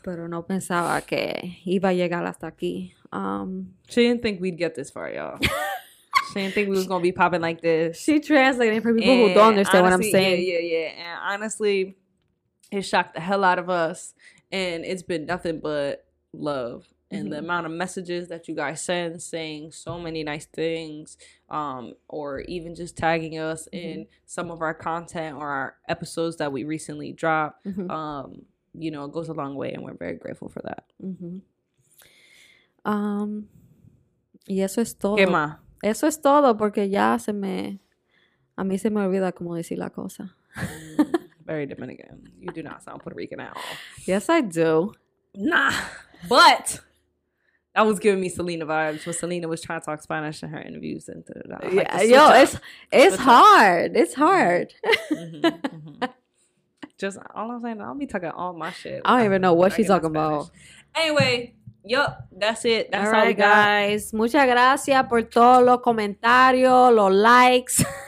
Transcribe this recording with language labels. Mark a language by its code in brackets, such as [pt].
[es] Pero no pensaba que iba a llegar hasta aquí. [en] She didn't think we'd get this far, y'all. She didn't think we was gonna be popping like this. She translated for people and who don't understand honestly, what I'm saying. Yeah. And honestly, it shocked the hell out of us. And it's been nothing but love. Mm-hmm. And the amount of messages that you guys send saying so many nice things, or even just tagging us mm-hmm. in some of our content or our episodes that we recently dropped, mm-hmm. You know, it goes a long way and we're very grateful for that. Mm-hmm. [es] Y eso es todo. ¿Qué más? Eso es todo porque ya a mí se me olvida cómo decir la cosa. [en] Very Dominican. You do not sound Puerto Rican at all. Yes, I do. Nah. But that was giving me Selena vibes when Selena was trying to talk Spanish in her interviews. And yeah, like yo, up. It's hard. It's hard. Mm-hmm. Just all I'm saying, I'll be talking all my shit. I don't even know what she's talking about. Anyway. Yup, that's it. That's all right, guys. [es] Muchas gracias por todos los comentarios, los likes.